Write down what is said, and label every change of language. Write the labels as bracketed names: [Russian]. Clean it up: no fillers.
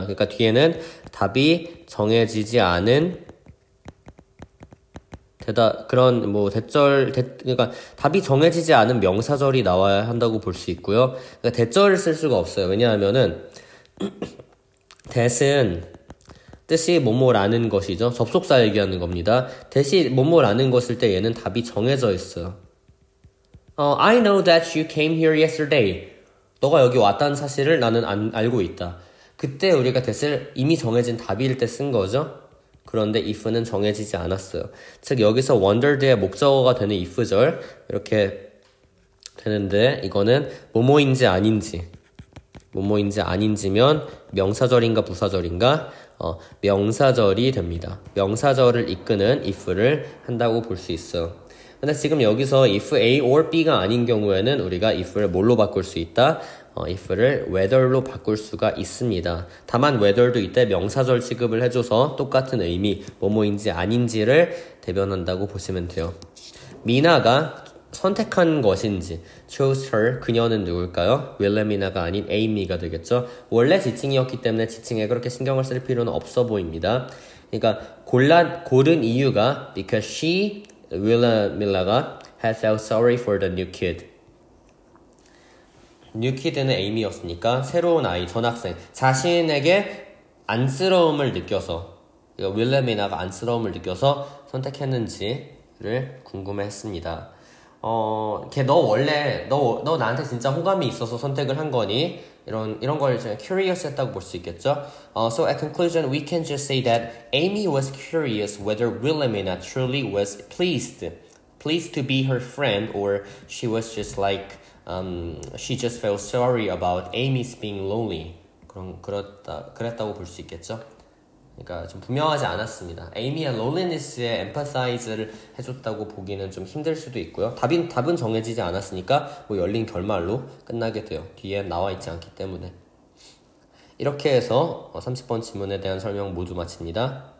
[Korean] 그러니까 뒤에는 답이 정해지지 않은 그러니까 답이 정해지지 않은 명사절이 나와야 한다고 볼 수 있고요. 그러니까 대절을 쓸 수가 없어요. 왜냐하면은 that은 뜻이 뭐뭐라는 것이죠. 접속사 얘기하는 겁니다. 대시 뭐뭐라는 것일 때 얘는 답이 정해져 있어요. [English] I know that you came here yesterday. [Korean] 너가 여기 왔다는 사실을 나는 알고 있다. 그때 우리가 됐을 이미 정해진 답일 때 쓴 거죠. 그런데 if는 정해지지 않았어요. 즉 여기서 wondered의 목적어가 되는 if절 이렇게 되는데 이거는 뭐뭐인지 아닌지 뭐뭐인지 아닌지면 명사절인가 부사절인가 명사절이 됩니다. 명사절을 이끄는 if를 한다고 볼 수 있어요. 근데 지금 여기서 if A or B가 아닌 경우에는 우리가 if를 뭘로 바꿀 수 있다? if를 whether로 바꿀 수가 있습니다. 다만 whether도 이때 명사절 취급을 해줘서 똑같은 의미, 뭐뭐인지 아닌지를 대변한다고 보시면 돼요. 미나가 선택한 것인지, [English] chose her, [Korean] 그녀는 누굴까요? 윌레미나가 아닌 에이미가 되겠죠. 원래 지칭이었기 때문에 지칭에 그렇게 신경을 쓸 필요는 없어 보입니다. 그러니까 고른 이유가 [English] because she... 윌라밀라가 had felt sorry for the new kid. [Korean] New kid는 에이미였으니까 새로운 아이, 전학생 자신에게 안쓰러움을 느껴서 윌라밀라가 안쓰러움을 느껴서 선택했는지를 궁금했습니다. 걔 너 원래 너 나한테 진짜 호감이 있어서 선택을 한 거니? 이런 걸 제가 curious 했다고 볼 수 있겠죠? [English] So at conclusion, we can just say that Amy was curious whether Wilhelmina truly was pleased to be her friend or she was just like, she just felt sorry about Amy's being lonely. [Korean] 그랬다고 볼 수 있겠죠? 그러니까 좀 분명하지 않았습니다. Amy의 loneliness에 empathize를 해줬다고 보기는 좀 힘들 수도 있고요. 답은 정해지지 않았으니까 뭐 열린 결말로 끝나게 돼요. 뒤에 나와 있지 않기 때문에. 이렇게 해서 30번 질문에 대한 설명 모두 마칩니다.